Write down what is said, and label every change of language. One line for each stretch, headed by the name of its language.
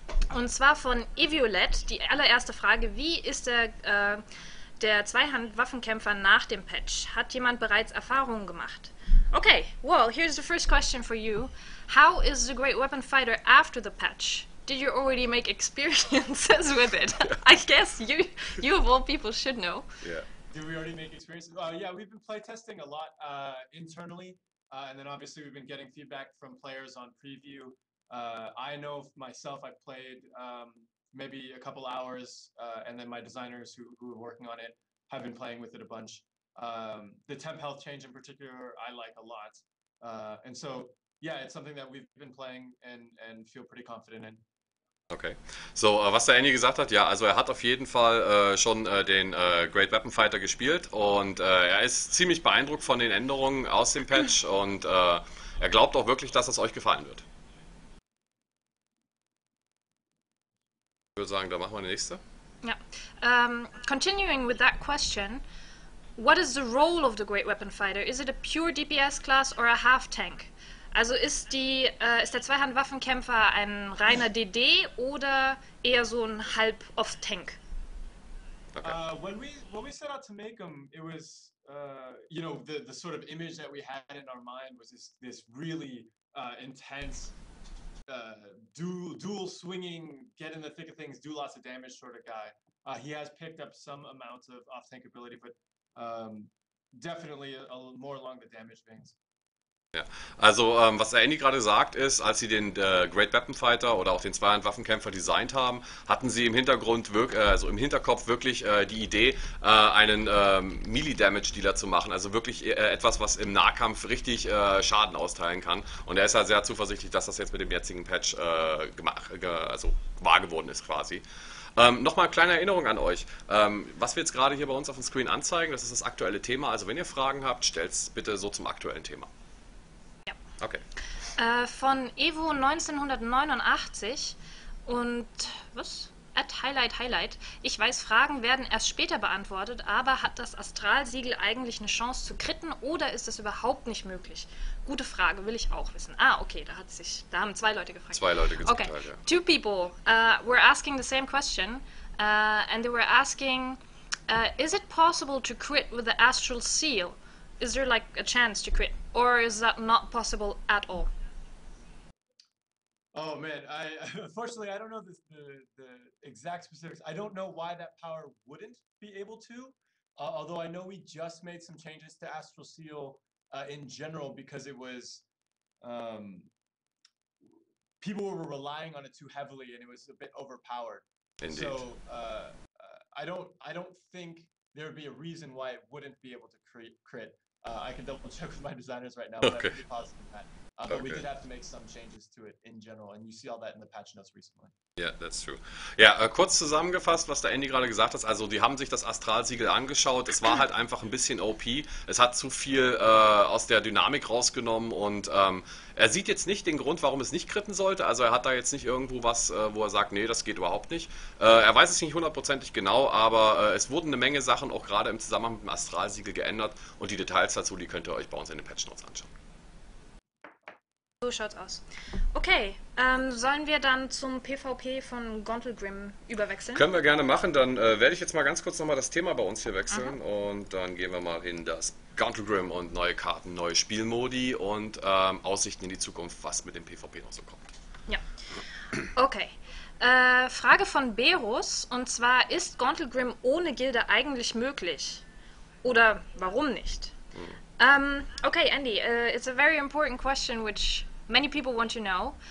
German: Und zwar von Eviolette, die allererste Frage, wie ist der Zweihand-Waffenkämpfer nach dem Patch? Hat jemand bereits Erfahrungen gemacht?
English: Okay, well, here's the first question for you. How is the Great Weapon Fighter after the patch? Did you already make experiences with it? Yeah. I guess you of all people should know. Yeah. Did we already make experiences? We've been playtesting a lot internally. And then obviously we've been getting feedback from players on preview. I know myself, I played maybe a couple hours, and then my designers who are working on it have been playing with it a bunch. The temp health change in particular, I like a lot. And so, yeah, it's something that we've been playing and feel pretty confident in.
German: Okay, so was der Andy gesagt hat, ja, also er hat auf jeden Fall schon den Great Weapon Fighter gespielt und er ist ziemlich beeindruckt von den Änderungen aus dem Patch und er glaubt auch wirklich, dass es euch gefallen wird. Ich würde sagen, da machen wir die nächste.
English: Ja, continuing with that question, what is the role of the Great Weapon Fighter? Is it a pure DPS class or a half tank?
German: Also ist der Zweihandwaffenkämpfer ein reiner DD oder eher so ein halb off tank?
English: Okay. When we set out to make him, it was you know, the sort of image that we had in our mind was this really intense dual swinging, get in the thick of things, do lots of damage sort of guy. He has picked up some amount of off tank ability, but definitely a more along the damage veins.
German: Ja. Also was Andy gerade sagt ist, als sie den Great Weapon Fighter oder auch den Zweihandwaffenkämpfer designt haben, hatten sie im Hintergrund, also im Hinterkopf wirklich die Idee, einen Melee-Damage-Dealer zu machen. Also wirklich etwas, was im Nahkampf richtig Schaden austeilen kann. Und er ist ja sehr zuversichtlich, dass das jetzt mit dem jetzigen Patch wahr geworden ist quasi. Nochmal eine kleine Erinnerung an euch. Was wir jetzt gerade hier bei uns auf dem Screen anzeigen, das ist das aktuelle Thema. Also wenn ihr Fragen habt, stellt es bitte so zum aktuellen Thema. Okay. Von Evo 1989 und was? @highlight. Ich weiß, Fragen werden erst später beantwortet, aber hat das Astralsiegel eigentlich eine Chance zu critten oder ist das überhaupt nicht möglich? Gute Frage, will ich auch wissen. Ah, okay, da haben zwei Leute gefragt. Zwei Leute gesagt, okay. Ja.
English: Two people were asking the same question and they were asking Is it possible to quit with the astral seal? Is there like a chance to quit, or is that not possible at all? Oh man, unfortunately, I don't know the exact specifics. I don't know why that power wouldn't be able to, although I know we just made some changes to Astral Seal in general because it was, people were relying on it too heavily and it was a bit overpowered. Indeed. So I don't think there'd be a reason why it wouldn't be able to crit. I can double check with my designers right now, but okay. I'm pretty positive on that. But okay. We did have to make some changes to it in general, and you see all that in the patch notes recently. Yeah, that's true.
German: Ja, kurz zusammengefasst, was der Andy gerade gesagt hat, also die haben sich das Astralsiegel angeschaut, es war halt einfach ein bisschen OP, es hat zu viel aus der Dynamik rausgenommen und er sieht jetzt nicht den Grund, warum es nicht kritten sollte, also er hat da jetzt nicht irgendwo was, wo er sagt, nee, das geht überhaupt nicht. Er weiß es nicht hundertprozentig genau, aber es wurden eine Menge Sachen auch gerade im Zusammenhang mit dem Astralsiegel geändert und die Details dazu, die könnt ihr euch bei uns in den Patch Notes anschauen. So schaut's aus. Okay, sollen wir dann zum PvP von Gondelgrim überwechseln? Können wir gerne machen, dann werde ich jetzt mal ganz kurz nochmal das Thema bei uns hier wechseln. Aha. Und dann gehen wir mal in das Gondelgrim und neue Karten, neue Spielmodi und Aussichten in die Zukunft, was mit dem PvP noch so kommt. Ja, okay. Frage von Berus, und zwar, ist Gondelgrim ohne Gilde eigentlich möglich? Oder warum nicht? Hm.
English: Okay, Andy, it's a very important question which many people want to know.